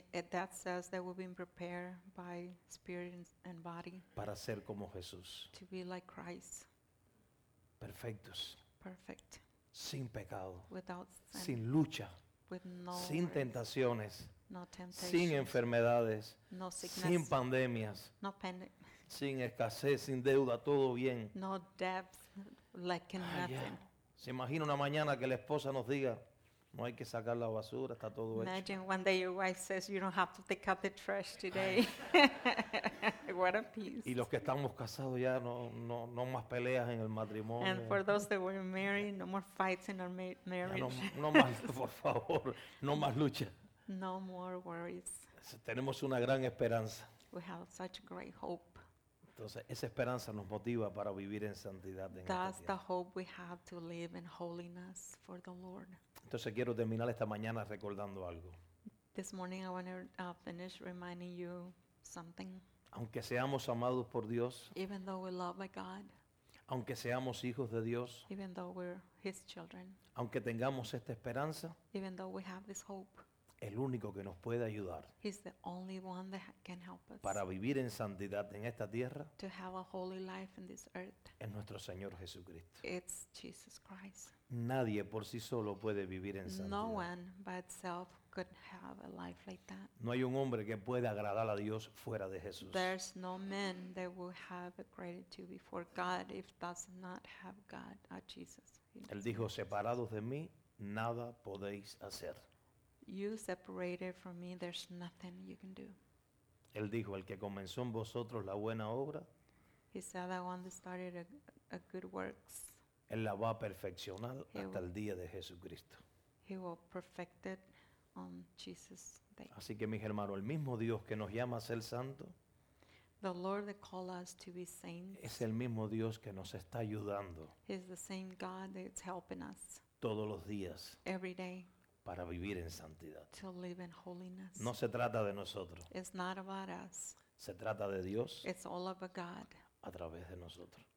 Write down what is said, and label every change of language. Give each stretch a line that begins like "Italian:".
English: That says that we've been prepared by spirit and body
Spanish: para ser como Jesús.
English: To be like Christ.
Spanish: Perfectos.
English: Perfect.
Spanish: Sin pecado.
English: Without sin.
Spanish: Sin lucha.
English: With no
Spanish: sin tentaciones.
English: No temptations.
Spanish: Sin enfermedades.
English: No sickness.
Spanish: Sin pandemias.
English: No pandemic.
Spanish: Sin escasez, sin deuda, todo bien.
English: No debt, lacking nothing. Yeah.
Spanish: Se imagina una mañana que la esposa nos diga, no hay que sacar la basura, está todo
English: imagine
Spanish: hecho.
English: Imagine one day your wife says you don't have to take out the trash today. What a peace.
Spanish: Y los que estamos casados ya no más peleas en el matrimonio.
English: And for those that were married, no more fights in our marriage.
Spanish: No más, por favor, no más lucha.
English: No more worries.
Spanish: Tenemos una gran esperanza.
English: We have such great hope.
Spanish: Entonces, esa esperanza nos motiva para vivir en santidad en esta tierra.
English: That's the hope we have to live in holiness for the Lord.
Spanish: Entonces, quiero terminar esta mañana recordando algo.
English: This morning I want to finish reminding you something.
Spanish: Aunque seamos amados por Dios,
English: even though we're loved by God,
Spanish: aunque seamos hijos de Dios,
English: even though we're His children,
Spanish: aunque tengamos esta esperanza,
English: even though we have this hope,
Spanish: el único que nos puede ayudar
English: he's the only one that can help us
Spanish: para vivir en santidad en esta tierra
English: to have a holy life in this earth
Spanish: es nuestro Señor Jesucristo.
English: It's Jesus Christ.
Spanish: Nadie por sí solo puede vivir en santidad.
English: No one by itself could have a life like that.
Spanish: No hay un hombre que pueda agradar a Dios fuera de Jesús.
English: There's no man that will have a gratitude before God if does not have God or Jesus.
Spanish: Él dijo, separados de mí, nada podéis hacer.
English: You separated from me, there's nothing you can do.
Spanish: Él dijo, el que comenzó en vosotros la buena obra,
English: he said that one that started a good works,
Spanish: él la va a perfeccionar hasta el día de Jesucristo.
English: He will perfect it on Jesus' day.
Spanish: Así que mis hermanos, el mismo Dios que nos llama a ser santo,
English: the Lord that call us to be saints,
Spanish: es el mismo Dios que nos está ayudando,
English: he's the same God that's helping us,
Spanish: todos los días,
English: every day,
Spanish: para vivir en santidad.
English: To live in holiness.
Spanish: No se trata de nosotros.
English: It's not about us.
Spanish: Se trata de Dios.
English: It's all about God.
Spanish: A través de nosotros.